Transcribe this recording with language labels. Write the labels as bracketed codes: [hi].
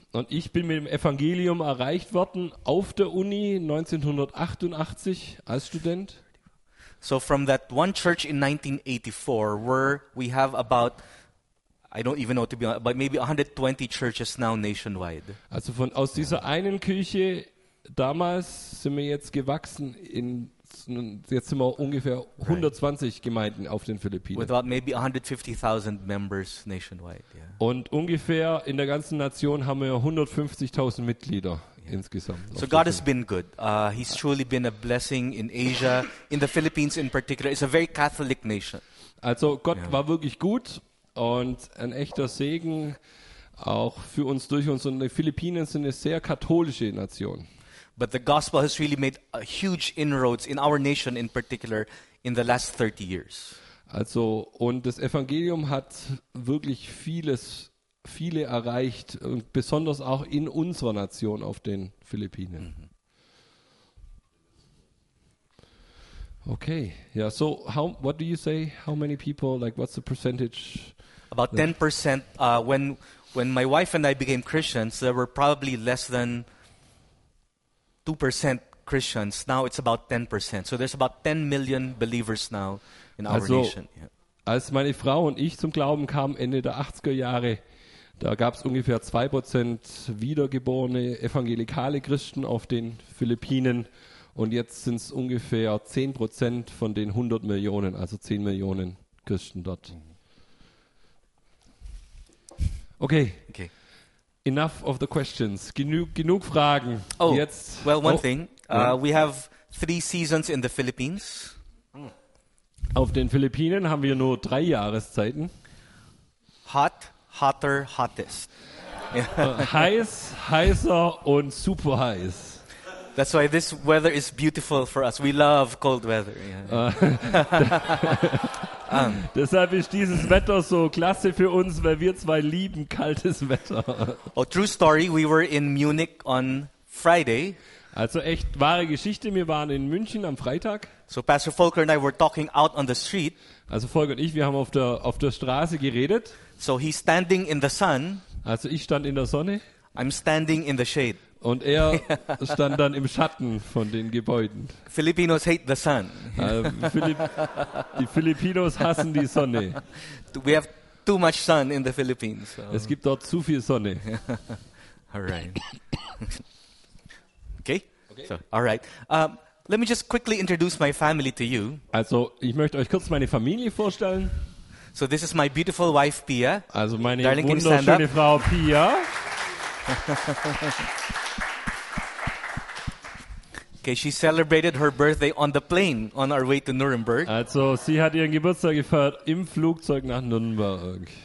[de] Und ich bin mit dem Evangelium erreicht worden auf der Uni 1988 als Student. [en] So from that one church in 1984, where we have about, I don't even know to be honest, but maybe 120 churches now nationwide. [de] Also von aus dieser einen Kirche damals sind wir jetzt gewachsen in, jetzt sind wir ungefähr 120 [en] right. [de] Gemeinden auf den Philippinen. [en] With about maybe 150,000 members nationwide. Yeah. [de] Und ungefähr in der ganzen Nation haben wir 150,000 Mitglieder. [en] So God has been good. He's truly been a blessing in Asia, in the Philippines in particular. It's a very Catholic nation. [de] Also Gott war wirklich gut und ein echter Segen auch für uns durch uns. Und die Philippinen sind eine sehr katholische Nation. [en] But the gospel has really made a huge inroads in our nation in particular in the last 30 years. [de] Also und das Evangelium hat wirklich viele erreicht, besonders auch in unserer Nation auf den Philippinen. [en] Okay, yeah, so how, what do you say, how many people, like what's the percentage? About 10%, when my wife and I became Christians, there were probably less than 2% Christians, now it's about 10%, so there's about 10 million believers now in our [de] also, [en] nation. Yeah. [de] Als meine Frau und ich zum Glauben kamen, Ende der 80er Jahre, da gab es ungefähr 2% wiedergeborene evangelikale Christen auf den Philippinen und jetzt sind es ungefähr 10% von den 100 Millionen, also 10 Millionen Christen dort. [en] Okay. Enough of the questions. [de] Genug Fragen. [en] Oh, [de] jetzt. [en] Well, one thing. We have 3 seasons in the Philippines. [de] Auf den Philippinen haben wir nur 3 Jahreszeiten. [en] Hot. Hotter, hottest. [de] Heiß, heißer und super heiß. [en] That's why this weather is beautiful for us. We love cold weather. [de] Deshalb ist dieses Wetter so klasse für uns, weil wir zwei lieben kaltes Wetter. [en] Oh, true story, we were in Munich on Friday. [de] Also echt wahre Geschichte, wir waren in München am Freitag. [en] So Pastor Volker and I were talking out on the street. [de] Also Volker und ich, wir haben auf der Straße geredet. [en] So he's standing in the sun. [de] Also ich stand in der Sonne. [en] I'm standing in the shade. [de] Und er stand dann im Schatten von den Gebäuden. [en] Filipinos hate the sun. [de] Die Filipinos hassen die Sonne. [en] We have too much sun in the Philippines. So. [de] Es gibt dort zu viel Sonne. [en] All right. Okay. So, all right. Let me just quickly introduce my family to you. [de] Also ich möchte euch kurz meine Familie vorstellen. [en] So this is my beautiful wife Pia. [de] Also meine Darling, wunderschöne Frau Pia. [en] Okay, she celebrated her birthday on the plane on our way to Nuremberg. [de] Also sie hat ihren Geburtstag gefeiert im Flugzeug nach Nuremberg.